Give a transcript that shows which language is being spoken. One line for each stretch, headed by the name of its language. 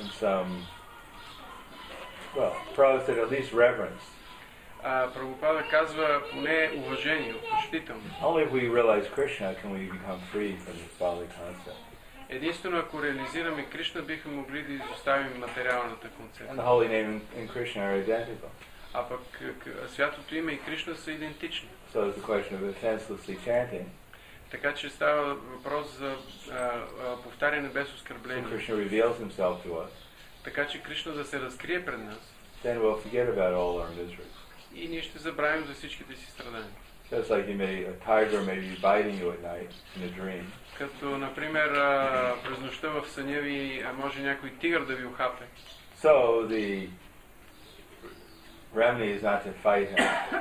English: And some, well, Prabhupada said at least reverence.
Bulgarian: Прабхупада казва поне уважение, почтително.
English: Only if we realize Krishna can we become free from this bodily concept.
Bulgarian: Единствено, ако реализираме Кришна, бихме могли да изоставим материалната концепция.
English: And the holy name and Krishna are identical.
Bulgarian: А пък святото име и Кришна са идентични.
English: So it's a question of offenselessly chanting.
Bulgarian: Така че става въпрос за повтаряне без оскърбление.
English: So Krishna reveals himself to us.
Bulgarian: Така че Кришна да се разкрие пред нас.
English: Then we'll forget about all our miseries.
Bulgarian: И ние ще забравим за всичките си страдания.
English: Just like he may, a tiger may be biting you at night in a dream.
Bulgarian: Като, например, през нощта в съня ви може някой тигър да ви ухапе.
English: So the remedy is not to fight him.